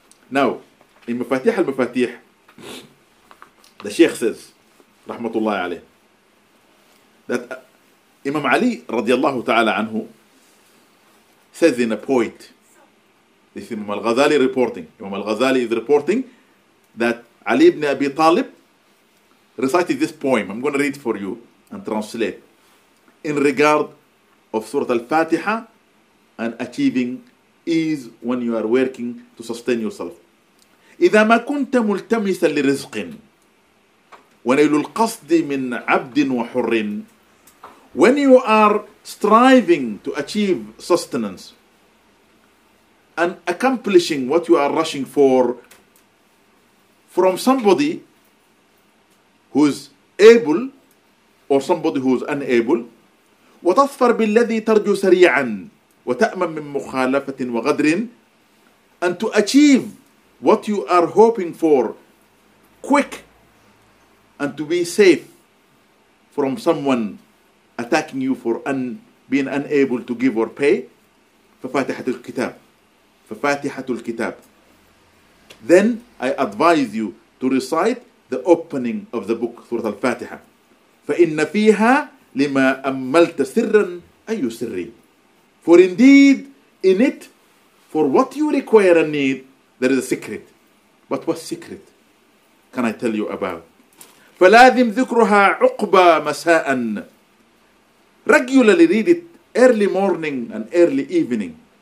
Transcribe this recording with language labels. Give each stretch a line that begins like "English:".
English: Now, in Mafatih al-Mafatih, the Sheikh says, Rahmatullahi alayh, that Imam Ali radiallahu ta'ala anhu says in a poet, this is Imam al-Ghazali reporting, Imam al-Ghazali is reporting that Ali ibn Abi Talib recited this poem. I'm going to read for you and translate. In regard of Surah Al-Fatiha and achieving ease when you are working to sustain yourself.
Arabic: إذا ما كنت ملتمسا لرزق ونيل القصد من عبد وحر.
English: When you are striving to achieve sustenance and accomplishing what you are rushing for from somebody who is able or somebody who is unable,
Arabic: وتصفر بالذي ترجو سريعا وتأمن من مخالفة وغدر.
English: And to achieve what you are hoping for quick and to be safe from someone attacking you for being unable to give or pay,
Arabic: ففاتحة الكتاب.
English: Then I advise you to recite the opening of the book, Surah Al-Fatiha.
Arabic: فإن فيها لما أملت سرا أي سري.
English: For indeed, in it, for what you require and need, there is a secret. But what secret can I tell you about?
Arabic: فَلَاذِمْ ذِكْرُهَا عُقْبَى مَسَاءً.
English: Regularly read it early morning and early evening.